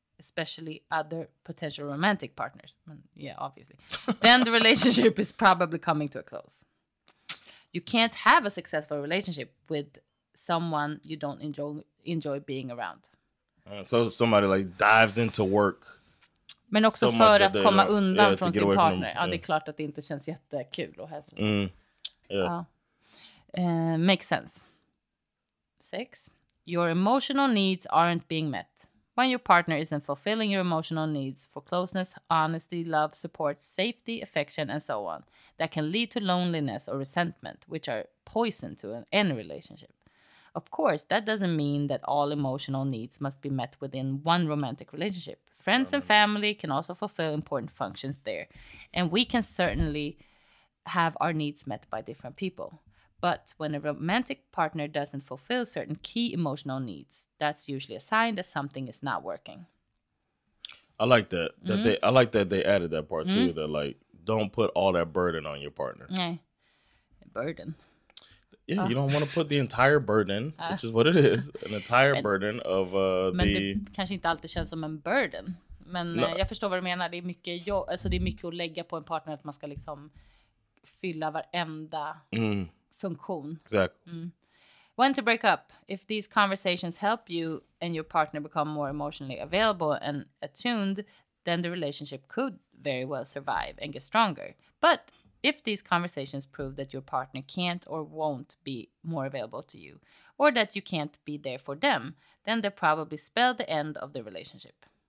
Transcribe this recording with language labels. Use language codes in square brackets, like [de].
[en] Especially other potential romantic partners. Yeah, obviously. Then the relationship is probably coming to a close. You can't have a successful relationship with someone you don't enjoy being around. So if somebody like dives into work. [sv] Men också so för att komma undan från sin partner. Ja, det är klart att det inte känns jättekul och hälsosamt. [en] Makes sense. 6. Your emotional needs aren't being met. When your partner isn't fulfilling your emotional needs for closeness, honesty, love, support, safety, affection, and so on, that can lead to loneliness or resentment, which are poison to any relationship. Of course, that doesn't mean that all emotional needs must be met within one romantic relationship. Friends and family can also fulfill important functions there. And we can certainly have our needs met by different people. But when a romantic partner doesn't fulfill certain key emotional needs, that's usually a sign that something is not working. I like that. I like that they added that part too. That like, don't put all that burden on your partner. Burden. Yeah, you don't want to put the entire burden, which is what it is, an entire burden of the. [sv] Men det kanske inte alltid känns som en burden. Men jag förstår vad du menar. Det är mycket jobb, alltså det är mycket att lägga på en partner att man ska liksom fylla varenda funktion. [en] Exactly. When to break up. If these conversations help you and your partner become more emotionally available and attuned, then the relationship could very well survive and get stronger. But if these conversations prove that your partner can't or won't be more available to you, or that you can't be there for them, then they probably spell the end of the relationship.